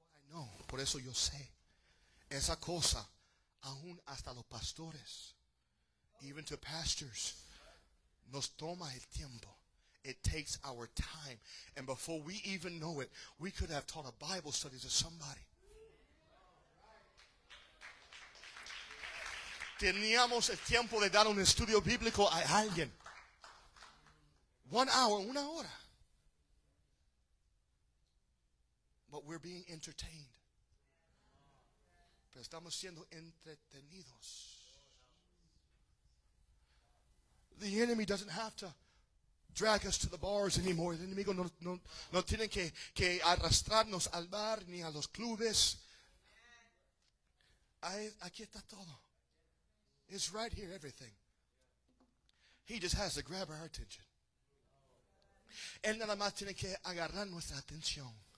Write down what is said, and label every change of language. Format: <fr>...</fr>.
<es>No, por eso yo sé esa cosa, aún hasta los pastores,</es> <en>even to pastors,</en> <es>nos toma el tiempo.</es> <en>It takes our time. And before we even know it, we could have taught a Bible study to somebody.</en> <es>Teníamos el tiempo de dar un estudio bíblico a alguien.</es> <en>1 hour,</en> <es>una hora.</es> <en>But we're being entertained.</en> <es>Pero estamos siendo entretenidos.</es> <en>The enemy doesn't have to drag us to the bars anymore.</en> <es>El enemigo no tiene que arrastrarnos al bar ni a los clubes. Aquí está todo.</es> <en>It's right here, everything. He just has to grab our attention.</en> <es>Él nada más tiene que agarrar nuestra atención.</es>